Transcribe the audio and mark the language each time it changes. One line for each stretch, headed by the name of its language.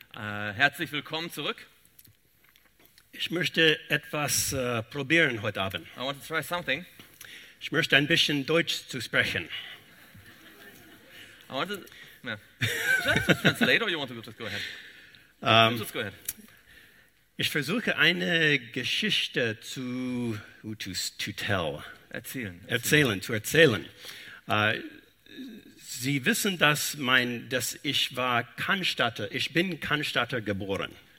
German: Herzlich willkommen zurück. Ich möchte etwas probieren heute Abend.
English: I want to try something.
German: Ich möchte ein bisschen Deutsch zu sprechen.
English: I want to. Should I just translate or you want to just go ahead? Just go ahead.
German: Ich versuche eine Geschichte
English: to tell.
German: Erzählen. Sie wissen, ich bin Cannstatter geboren.